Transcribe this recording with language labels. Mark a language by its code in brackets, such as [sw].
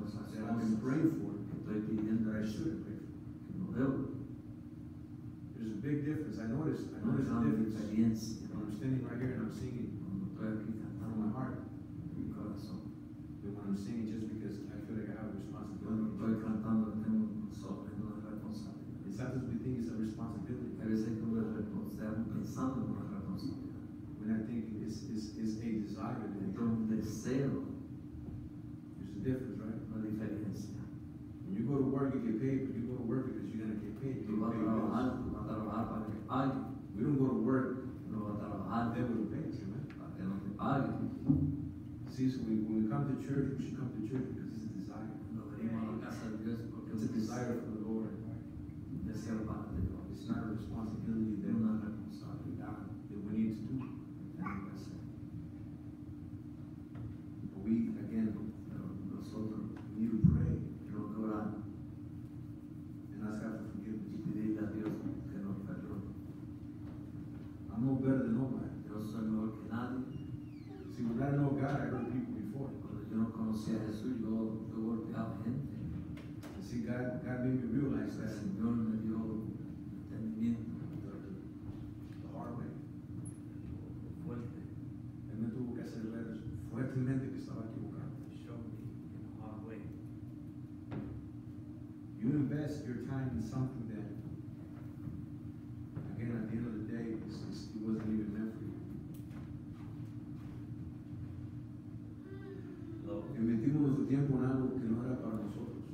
[en] that I've been praying for, [es] estoy pidiendo, [en] that I should have prayed for. [es] Que no veo. [en] There's a big difference. I noticed the difference. Experience. When I'm standing right here and I'm singing, [es] cuando estoy aquí cantando, [en] my heart, [es] mi corazón. [en] But when I'm singing just because I feel like I have a responsibility. [es] Cuando estoy cantando, tengo un sobrino de responsabilidad. [en] It's not that we think it's a responsibility. [es] A veces como de responsabilidad, pensando en una responsabilidad. [en] When I think it's a desire. [es] Entonces, un deseo. [en] There's a difference, right? [es] La diferencia. [en] When you go to work, you get paid, but you go to work because you're going to get paid. [es] Tú vas a trabajar, tú vas a trabajar para que pague. [en] We don't go to work. [es] No vas a trabajar. [en] They will pay, you know? [es] Para que no te pague. [en] See, so when we come to church, we should come to church because it's a desire. [es] No venimos a la casa de Dios porque [en] it's a desire for the Lord. [es] Deseo para Dios. [en] It's not a responsibility that we're not responsible for God, that we need to do. But we, again, [es] nosotros, [en] we need to pray. [es] Orar. [en] And ask God for forgiveness. [es] Y pedirle a Dios que nos perdone. [en] I'm no better than nobody. [es] Yo soy mejor que nadie. [en] See, when I know God, I hurt people before. [es] Cuando yo no conocía a Jesús, yo golpeaba gente. [en] And see, God made me realize that. [es] El Señor me dio entendimiento. [en] The hard way. [es] Fuerte. Él me tuvo que hacer ver fuertemente que estaba equivocado. [en] He showed me in the hard way. You invest your time in something that, again, at the end of the day, it wasn't even meant for you. [es] Que metimos nuestro tiempo en algo que no era para nosotros.